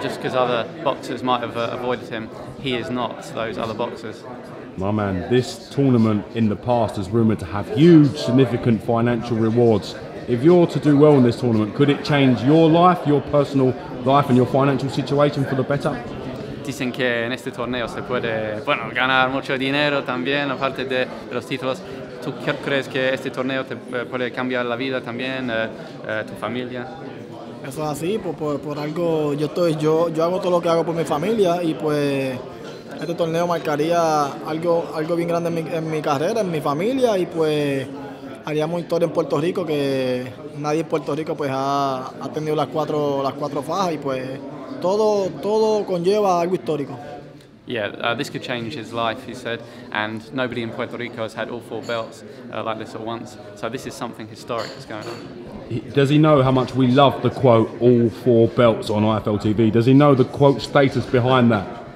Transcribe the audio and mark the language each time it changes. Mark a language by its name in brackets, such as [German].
[English] Just because other boxers might have avoided him, he is not those other boxers. My man, this tournament in the past is rumoured to have huge, significant financial rewards. If you're to do well in this tournament, could it change your life, your personal life and your financial situation for the better? [Spanish] Dicen que en este torneo se puede, bueno, ganar mucho dinero también, aparte de los títulos. ¿Tú crees que este torneo te puede cambiar la vida también, tu familia? Eso es así, por algo, yo hago todo lo que hago por mi familia y pues este torneo marcaría algo bien grande en mi carrera, en mi familia y pues haríamos historia en Puerto Rico, que nadie en Puerto Rico pues ha tenido las cuatro fajas y pues todo conlleva algo histórico. [English] Yeah, this could change his life, he said, and nobody in Puerto Rico has had all four belts like this at once, so this is something historic that's going on. Does he know how much we love the quote, all four belts on IFLTV? Does he know the quote status behind that?